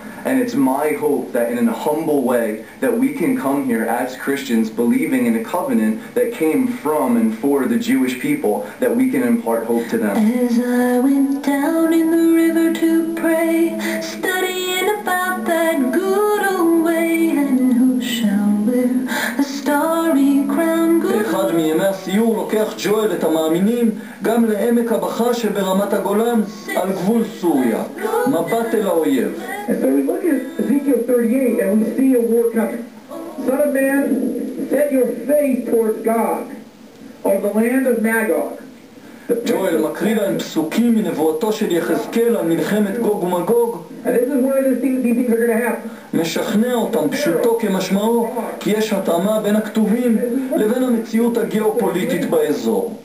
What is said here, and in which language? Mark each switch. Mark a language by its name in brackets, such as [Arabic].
[English] And it's my hope that in a humble way that we can come here as Christians believing in a covenant that came from and for the Jewish people, that we can impart hope to them. As I went down in the river to pray, studying about that good old way, and who shall wear a starry crown good. [Hebrew] באחד מימי הסיור לוקח ג'ואל את המאמינים גם לעמק הבכה שברמת הגולן על גבול סוריה. מבט אל האויב. [English] And so we look at Ezekiel 38 and we see a war coming. Son of man, set your face towards Gog, or the land of Magog. [Hebrew] ג'ואל מקריא להם פסוקים מנבואתו של יחזקאל על מלחמת גוג ומגוג. [English] And this is where these things are going to happen. [Hebrew] משכנע אותם פשוטו כמשמעו כי יש התאמה בין הכתובים לבין המציאות הגיאופוליטית באזור.